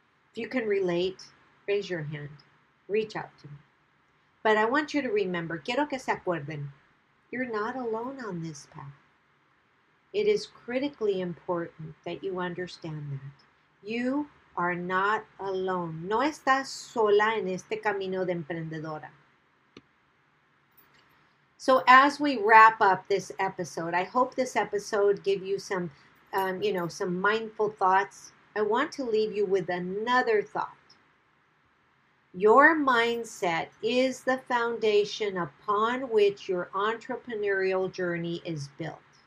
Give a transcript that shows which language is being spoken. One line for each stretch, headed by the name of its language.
English: If you can relate, raise your hand. Reach out to me. But I want you to remember,
Spanish: quiero que se acuerden,
English: you're not alone on this path. It is critically important that you understand that. You are not alone.
Spanish: No estás sola en este camino de emprendedora.
English: So as we wrap up this episode, I hope this episode gave you some, you know, some mindful thoughts. I want to leave you with another thought. Your mindset is the foundation upon which your entrepreneurial journey is built.